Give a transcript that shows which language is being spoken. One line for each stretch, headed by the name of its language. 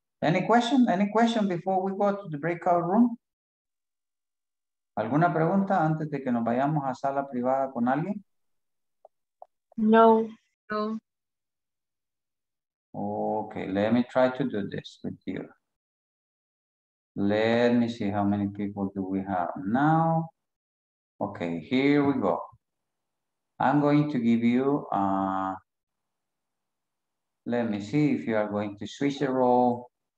English: Any question before we go to the breakout room?
Spanish: ¿Alguna pregunta antes de que nos vayamos a sala privada con alguien? No. No.
English: Okay, let me try to do this with you. Let me see how many people do we have now. Okay, here we go. I'm going to give you let me see if you are going to switch a role.